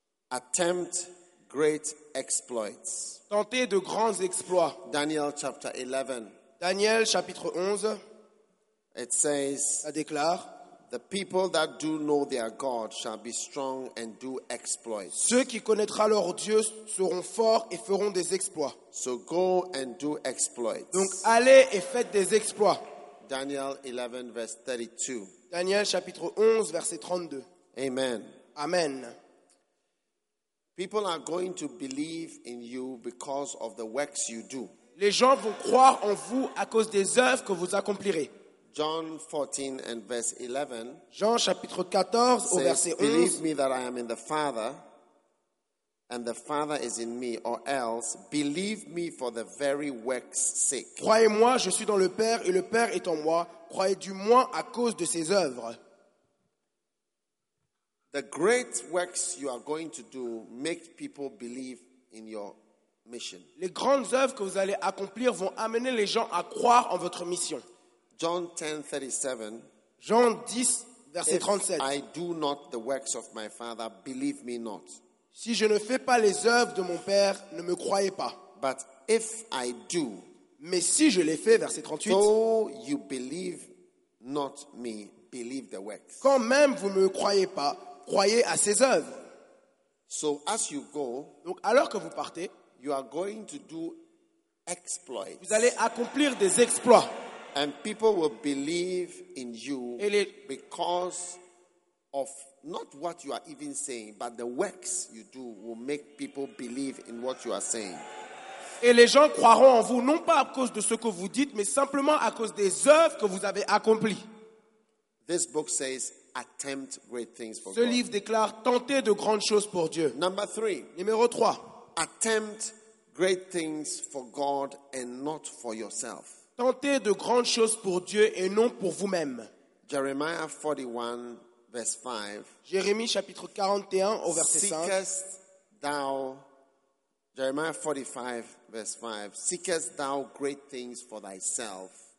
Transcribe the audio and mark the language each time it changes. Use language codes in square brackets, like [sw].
[en] Attempt great exploits. [fr] Tentez de grands exploits. [en] Daniel chapter 11. [fr] Daniel chapitre 11. [en] It says. [fr] Ça déclare. [en] The people that do know their God shall be strong and do exploits. [fr] Ceux qui connaîtront leur Dieu seront forts et feront des exploits. [en] So go and do exploits. [fr] Donc allez et faites des exploits. [en] Daniel 11 verse 32. [fr] Daniel chapitre 11 verset 32. [en] Amen. [fr] Amen. [en] People are going to believe in you because of the works you do. [fr] Les gens vont croire en vous à cause des œuvres que vous accomplirez. [en] John 14 and verse 11. [fr] Jean chapitre 14 [en] says, [fr] au verset 11. [en] Believe me that I am in the Father, and the Father is in me, or else believe me for the very works' sake. [fr] Croyez-moi, je suis dans le Père et le Père est en moi. Croyez du moins à cause de ses œuvres. [en] The great works you are going to do make people believe in your mission. [fr] Les grandes œuvres que vous allez accomplir vont amener les gens à croire en votre mission. [en] John 10:37. [fr] Jean 10 verset 37. [en] I do not the works of my Father, believe me not. [fr] Si je ne fais pas les œuvres de mon Père, ne me croyez pas. [en] But if I do, [fr] mais si je les fais, verset 38. [en] Though you believe not me, believe the works. [fr] Quand même vous ne me croyez pas, croyez à ses œuvres. [en] So as you go, [fr] donc alors que vous partez, [en] you are going to do exploits. [fr] Vous allez accomplir des exploits. [en] And people will believe in you [fr] les, [en] because of not what you are even saying, but the works you do will make people believe in what you are saying. [fr] Et les gens croiront en vous, non pas à cause de ce que vous dites, mais simplement à cause des œuvres que vous avez accomplies. [en] This book says, attempt great things for [fr] ce [en] God. [fr] Ce livre déclare, tentez de grandes choses pour Dieu. [en] Number three. [fr] Numéro 3. [en] Attempt great things for God and not for yourself. [fr] Tentez de grandes choses pour Dieu et non pour vous-même. [en] Jeremiah 41, verse 5. [fr] Jérémie chapitre 41 au verset 5. [en] Seekest thou, Jeremiah 45, verse 5. Seekest thou great things for thyself.